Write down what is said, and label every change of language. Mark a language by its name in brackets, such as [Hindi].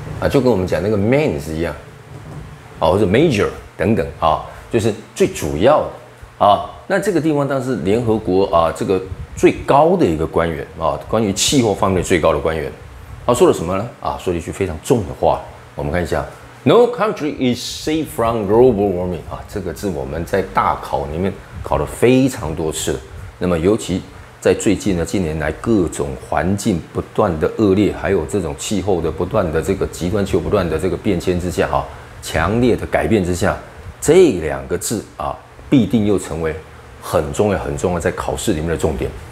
[Chinese] 就跟我们讲那个 main 是一样或者 major 等等就是最主要的那这个地方当时联合国这个最高的一个官员关于气候方面最高的官员说了什么呢说了一句非常重的话，我们看一下。 [English] No country is safe from global warming. [Chinese] 这个字我们在大考里面考了非常多次。那么尤其在最近呢，近年来各种环境不断的恶劣，还有这种气候的不断的这个极端气候不断的这个变迁之下，强烈的改变之下，这两个字必定又成为很重要很重要在考试里面的重点。